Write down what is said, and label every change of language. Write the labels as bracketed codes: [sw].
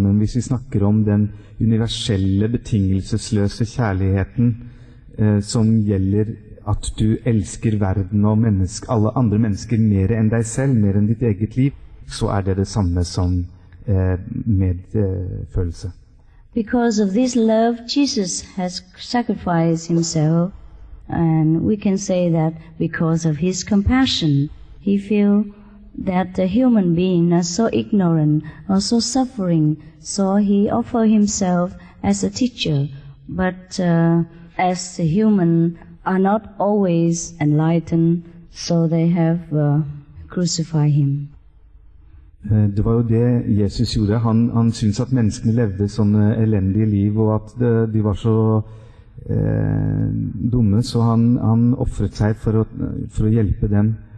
[no] Men hvis vi snakker om den universelle, betingelsesløse kjærligheten som gjelder at du elsker verden og alle andre mennesker mer enn deg selv, mer enn ditt eget liv, så det det samme som medfølelse. [en] Because of this love, Jesus has sacrificed himself, and we can say that because of his compassion, he feels that the human being are so ignorant or so suffering, so he offers himself as a teacher. But as the human are not always enlightened, so they have crucified him. [no] Det var jo det Jesus gjorde. Han syntes at menneskene levde sånne elendige liv, og at de var så dumme, så han offret seg for å hjelpe dem.